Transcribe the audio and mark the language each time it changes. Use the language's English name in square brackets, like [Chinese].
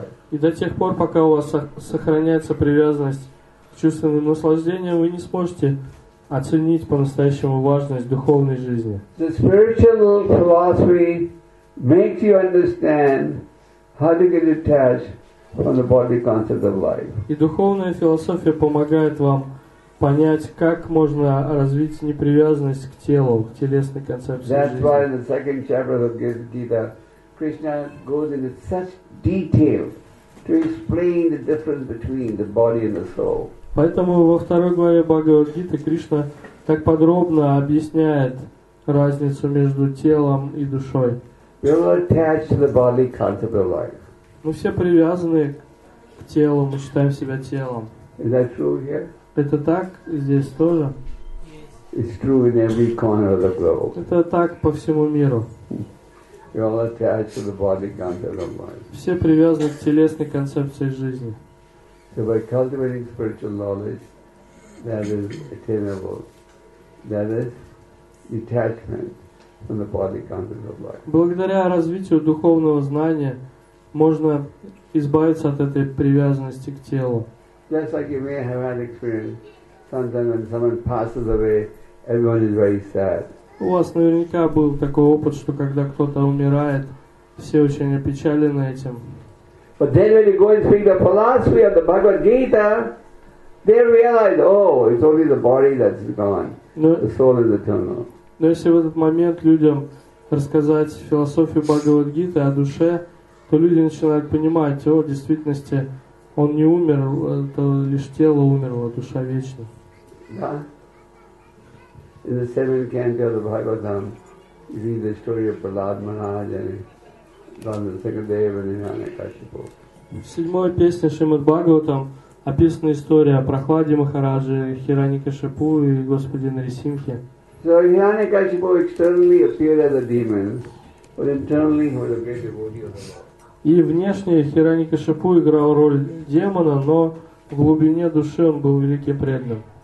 [Russian] И до тех пор, пока у вас сохраняется привязанность к чувственным наслаждениям, вы не сможете оценить по-настоящему важность духовной жизни. [English] The spiritual philosophy makes you understand how to get detached from the bodily concept of life. [Russian] И духовная философия помогает вам понять, как можно развить непривязанность к телу, к телесной концепции жизни. [English] That's why in the second chapter of Gita, Krishna goes into such detail to explain the difference between the body and the soul. [Russian] Поэтому во второй главе Бхагавад-гиты Кришна так подробно объясняет разницу между телом и душой. [English] We are attached to the bodily concept of life. [Russian] Мы все привязаны к телу, мы считаем себя телом. [English] Is that true here? [Russian] Это так здесь тоже? [English] It's true in every corner of the globe. [Russian] Это так по всему миру. [English] You're all attached to the body concept of life. [Russian] Все привязаны к телесной концепции жизни. [English] So by cultivating spiritual knowledge, that is attainable. That is detachment from the body concept of life. [Russian] Благодаря развитию духовного знания можно избавиться от этой привязанности к телу. [English] Just like you may have had experience, sometimes when someone passes away, everyone is very sad. [Russian] У вас наверняка был такой опыт, что когда кто-то умирает, все очень опечалены этим. [English] But then when you go and speak the philosophy of the Bhagavad Gita, they realize, oh, it's only the body that's gone. The soul is eternal. [Russian] Но если в этот момент людям рассказать философию Бхагавад Гиты о душе, то люди начинают понимать, о, в действительности он не умер, это лишь тело умерло, душа вечна. Да. [English] In the seventh canto of the Bhagavatam, you read the story of Prahlad Maharaj and on the second day of Hiranyakashipu. [Russian] В седьмой песне Шримад Бхагаватам описана история о Прахладе Махараджи, Хираньякашипу и Господе Нарисимхе. [English] So Hiranyakashipu externally appeared as a demon, but internally he was a great devotee of the Lord. [Russian] И внешне Хираньякашипу играл роль демона, но в глубине души он был великим преданным.